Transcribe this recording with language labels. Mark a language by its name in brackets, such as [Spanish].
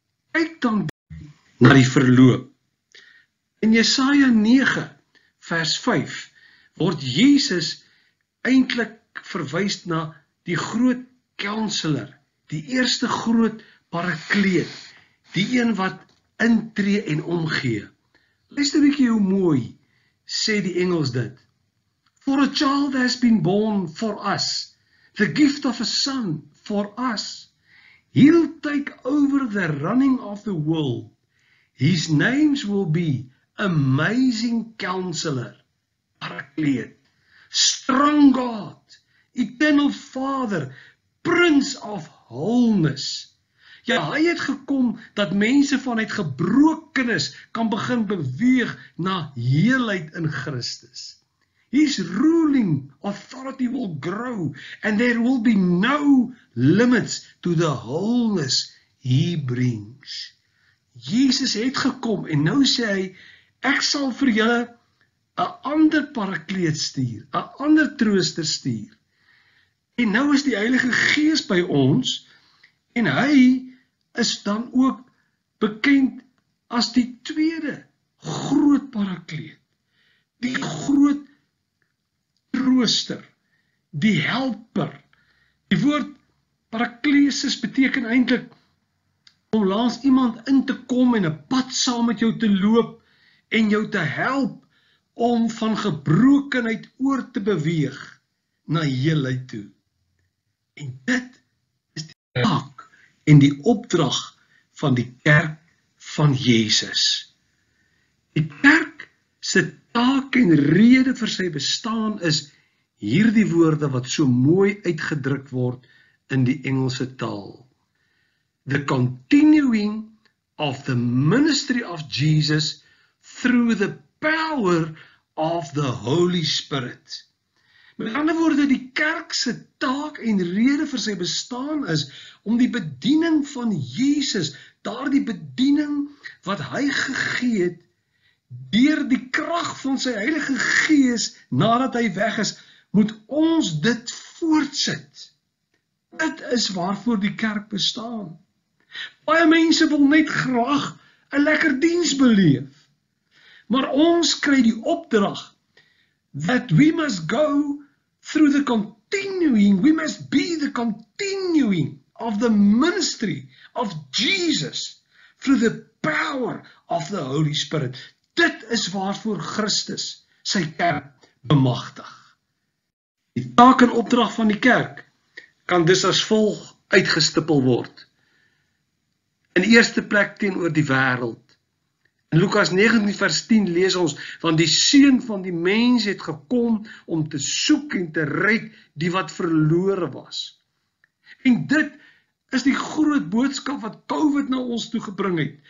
[Afrikaans] Kyk dan na die verloop. In Jesaja 9 vers 5 word Jesus eintlik verwys na die groot kanselier, die eerste groot parakleet, die een wat intree en omgee. Luister 'n bietjie hoe mooi sê die Engels dit. [English] For a child has been born for us. The gift of a son for us. He'll take over the running of the world. His names will be Amazing Counselor, Paraclete, Strong God, Eternal Father, Prince of Wholeness. [Afrikaans] Ja, hy het gekom dat mense vanuit gebrokenis kan begin beweeg na heelheid in Christus. [English] His ruling authority will grow and there will be no limits to the wholeness he brings. [Afrikaans] Jesus het gekom en nou sê hy, ek sal vir julle 'n ander parakleet stuur, 'n ander trooster stuur. En nou is die Heilige Gees by ons en hy is dan ook bekend as die tweede groot parakleet, die groot trooster, die helper. Die woord paraklesis beteken eintlik om langs iemand in te kom en 'n pad saam met jou te loop en jou te help om van gebrokenheid oor te beweeg na heelheid toe. En dit is die taak en die opdrag van die kerk van Jesus. Die kerk se taak en rede vir sy bestaan is hierdie woorde wat so mooi uitgedruk word in die Engelse taal. [English] The continuing of the ministry of Jesus through the power of the Holy Spirit. [Afrikaans] Met ander woorde, die kerk se taak en rede vir sy bestaan is om die bediening van Jesus, daardie bediening wat hy gegee het deur die krag van sy Heilige Gees nadat hy weg is, moet ons dit voortsit. Dit is waarvoor die kerk bestaan. Baie mense wil net graag 'n lekker diens beleef. Maar ons kry die opdrag [English] that we must go through the continuing, we must be the continuing of the ministry of Jesus through the power of the Holy Spirit. [Afrikaans] Dit is waarvoor Christus sy kerk bemagtig. Die taak en opdrag van die kerk kan dus as volg uitgestippel word. In eerste plek teenoor die wêreld. In Lukas 19 vers 10 lees ons, want die seun van die mens het gekom om te soek en te red die wat verlore was. En dit is die groot boodskap wat COVID na ons toe gebring het.